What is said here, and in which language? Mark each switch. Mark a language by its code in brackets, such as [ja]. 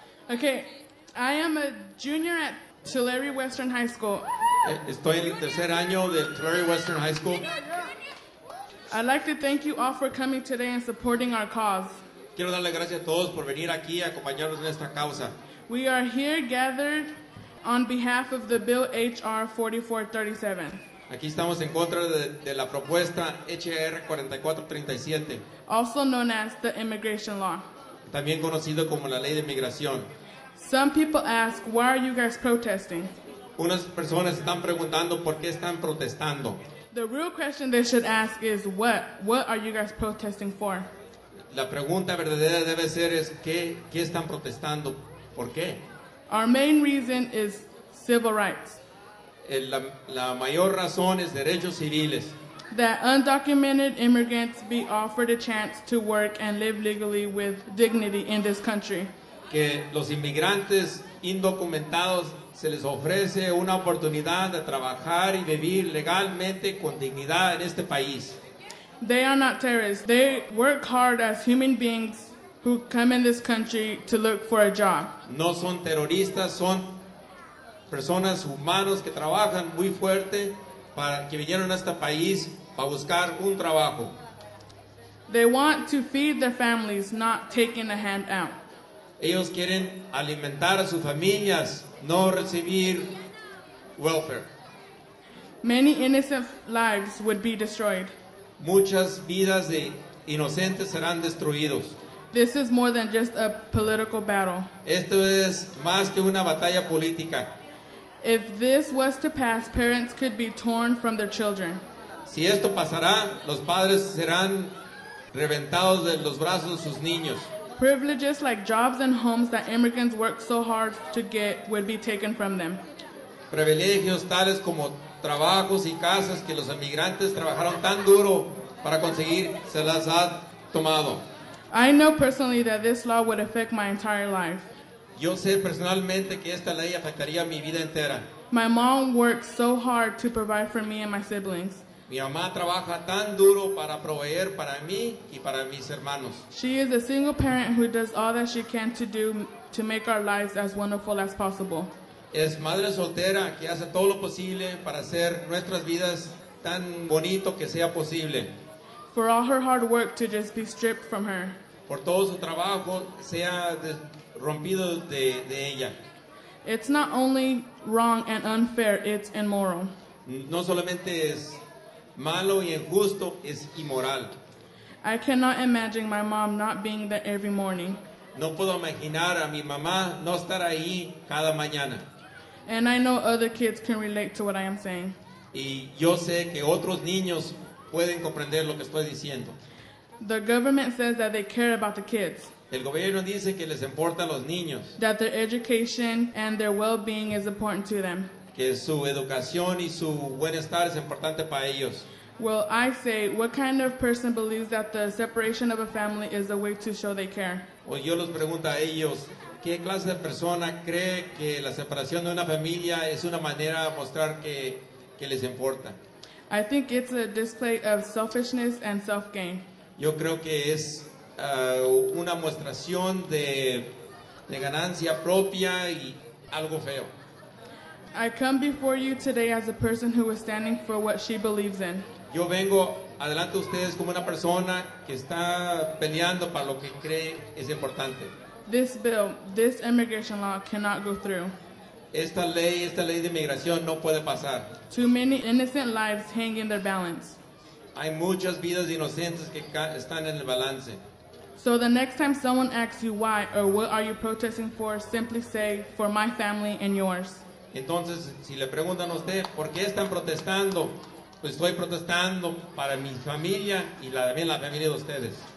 [en] Okay, I am a junior at Tulare Western High School. [es] Estoy en el tercer año de Tulare Western High School. [en] I'd like to thank you all for coming today and supporting our cause. [es] Quiero darle gracias a todos por venir aquí a acompañarnos en esta causa. [en] We are here gathered on behalf of the Bill H.R. 4437. [es] Aquí estamos en contra de la propuesta H.R. 4437. [en] Also known as the immigration law. [es] También conocido como la ley de inmigración. [en] Some people ask, why are you guys protesting? [es] Unas personas están preguntando por qué están protestando. [en] The real question they should ask is, what are you guys protesting for? [es] La pregunta verdadera debe ser es ¿qué están protestando? ¿Por qué? [en] Our main reason is civil rights. [es] La mayor razón es derechos civiles. [en] That undocumented immigrants be offered a chance to work and live legally with dignity in this country. [es] Que los inmigrantes indocumentados se les ofrece una oportunidad de trabajar y vivir legalmente con dignidad en este país. [en] They are not terrorists. They work hard as human beings who come in this country to look for a job. [es] No son terroristas, son personas humanos que trabajan muy fuerte para que vinieron a este país para buscar un trabajo. [en] They want to feed their families, not taking a handout. [es] Ellos quieren alimentar a sus familias, no recibir welfare. [en] Many innocent lives would be destroyed. [es] Muchas vidas de inocentes serán destruidos. [en] This is more than just a political battle. [es] Esto es más que una batalla política. [en] If this was to pass, parents could be torn from their children. [es] Si esto pasará, los padres serán reventados de los brazos de sus niños. [en] Privileges like jobs and homes that immigrants work so hard to get would be taken from them. [es] Privilegios tales como trabajos y casas que los inmigrantes trabajaron tan duro para conseguir se las ha tomado. [en] I know personally that this law would affect my entire life. [es] Yo sé personalmente que esta ley afectaría mi vida entera. [en] My mom works so hard to provide for me and my siblings. [es] Mi mamá trabaja tan duro para proveer para mí y para mis hermanos. [en] She is a single parent who does all that she can to make our lives as wonderful as possible. [es] Es madre soltera que hace todo lo posible para hacer nuestras vidas tan bonito que sea posible. [en] For all her hard work to just be stripped from her. [es] Por todo su trabajo sea rompido de ella. [en] It's not only wrong and unfair, it's immoral. [es] No solamente es malo y injusto, es inmoral. [en] I cannot imagine my mom not being there every morning. [es] No puedo imaginar a mi mamá no estar ahí cada mañana. [en] And I know other kids can relate to what I am saying. [es] Y yo sé que otros niños pueden comprender lo que estoy diciendo. [en] The government says that they care about the kids. [es] El gobierno dice que les importa a los niños. [en] That their education and their well-being is important to them. [es] Que su educación y su bienestar es importante para ellos. [en] Well, I say, what kind of person believes that the separation of a family is a way to show they care? [es] O yo les pregunto a ellos, ¿qué clase de persona cree que la separación de una familia es una manera de mostrar que les importa? [en] I think it's a display of selfishness and self-gain. [es] Yo creo que es una muestración de ganancia propia y algo feo. [en] I come before you today as a person who is standing for what she believes in. [es] Yo vengo adelante a ustedes como una persona que está peleando para lo que cree es importante. [en] This bill, this immigration law cannot go through. [es] Esta ley de inmigración no puede pasar. [en] Too many innocent lives hang in their balance. [es] Hay muchas vidas inocentes que están en el balance. [en] So the next time someone asks you why or what are you protesting for, simply say, for my family and yours. [es] Entonces, si le preguntan a usted, ¿por qué están protestando? Pues estoy protestando para mi familia y también la familia de ustedes.